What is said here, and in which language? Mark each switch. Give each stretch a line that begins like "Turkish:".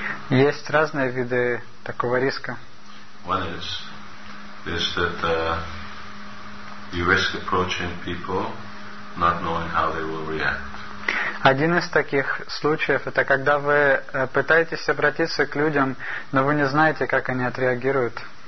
Russian: Есть разные виды такого риска.
English: One is that you risk approaching people not knowing how they will react.
Russian: Один из таких случаев это когда вы пытаетесь обратиться к людям, но вы не знаете, как они отреагируют.